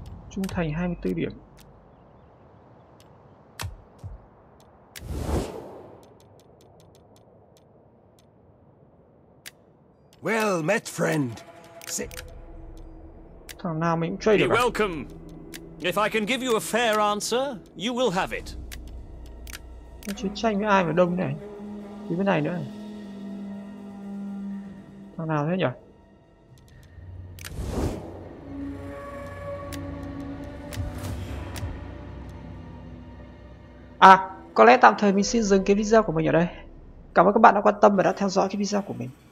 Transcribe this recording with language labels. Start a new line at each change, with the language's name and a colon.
Vietnamese: Trung thành 24 điểm.
English: Well met, friend. Sit.
Vietnamese: Thằng nào mình cũng trade được.
English: Welcome. If I can give you a fair answer, you will have it.
Vietnamese: Chiến tranh với ai mà đông này? Thì bên này nữa. Này. Thằng nào thế nhỉ? À, có lẽ tạm thời mình xin dừng cái video của mình ở đây. Cảm ơn các bạn đã quan tâm và đã theo dõi cái video của mình.